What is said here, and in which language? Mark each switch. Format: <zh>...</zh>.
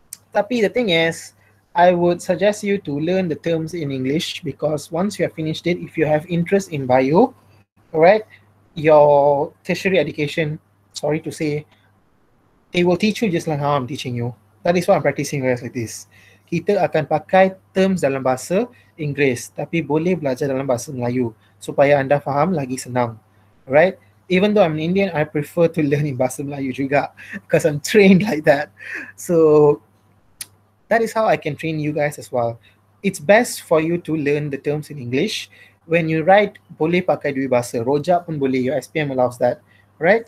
<en>Tapi the thing is, I would suggest you to learn the terms in English, because once you have finished it, if you have interest in bio, right, your tertiary education, sorry to say, they will teach you just like how I'm teaching you. That is why I'm practicing words like this.</en> <ms>Kita akan pakai terms dalam bahasa Inggeris, tapi boleh belajar dalam bahasa Melayu supaya anda faham lagi senang, right?</ms> <en>Even though I'm an Indian, I prefer to learn in bahasa Melayu</en> <ms>juga</ms> <en>because I'm trained like that. So that is how I can train you guys as well. it's best for you to learn the terms in English. When you write,</en> <ms>boleh pakai dua bahasa. Rojak pun boleh.</ms> <en>Your SPM allows that. Right?</en>